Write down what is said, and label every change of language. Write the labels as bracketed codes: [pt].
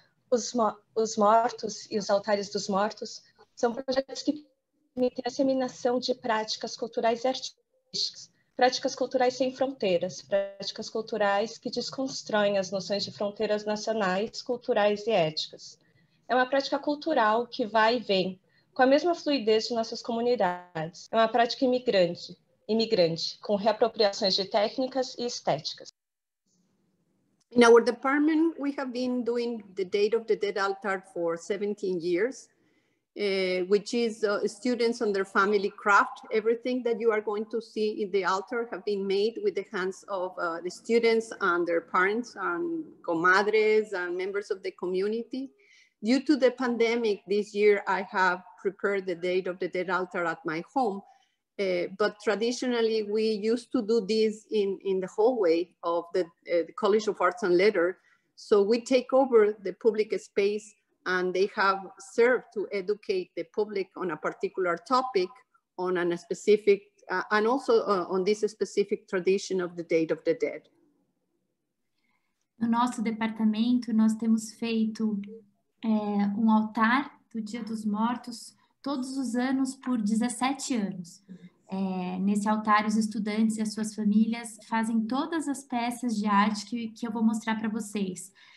[pt] Os mortos e os altares dos mortos são projetos que permitem a disseminação de práticas culturais e artísticas, práticas culturais sem fronteiras, práticas culturais que desconstroem as noções de fronteiras nacionais, culturais e éticas. É uma prática cultural que vai e vem, com a mesma fluidez de nossas comunidades. É uma prática imigrante, com reapropriações de técnicas e estéticas. [en] In our department, we have been doing the Day of the Dead altar for 17 years, which is students on their family craft. Everything that you are going to see in the altar have been made with the hands of the students and their parents and comadres and members of the community. Due to the pandemic this year, I have prepared the Day of the Dead altar at my home. But traditionally, we used to do this in the hallway of the College of Arts and Letters. So we take over the public space and they have served to educate the public on a particular topic on a specific, and also on this specific tradition of the Day of the Dead. [pt] No nosso departamento, nós temos feito um altar do Dia dos Mortos todos os anos por 17 anos. nesse altar, os estudantes e as suas famílias fazem todas as peças de arte que eu vou mostrar para vocês.